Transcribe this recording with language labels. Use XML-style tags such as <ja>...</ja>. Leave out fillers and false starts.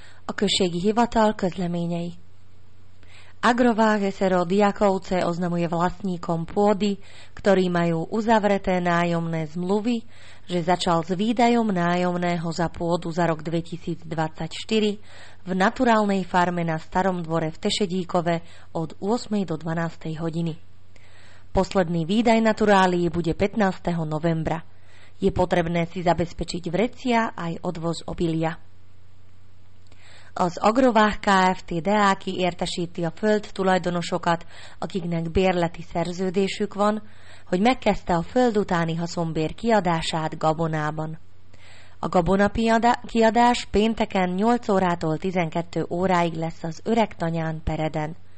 <hu>Okrsiek Hivatal, közleményei.</hu> <sk>Agrovág SRO Diakovce oznamuje vlastníkom pôdy, ktorí majú uzavreté nájomné zmluvy, že začal s výdajom nájomného za pôdu za rok 2024 v naturálnej farme na Starom dvore v Tešedíkove od 8. do 12. hodiny. Posledný výdaj naturálii bude 15. novembra. Je potrebné si zabezpečiť vrecia aj odvoz obilia.</sk> <hu>Az agrovág Kft. Deáki értesíti a föld tulajdonosokat, akiknek bérleti szerződésük van, hogy megkezdte a föld utáni haszonbér kiadását Gabonában. A Gabona kiadás pénteken 8 órától 12 óráig lesz az öreg tanyán Pereden.</hu>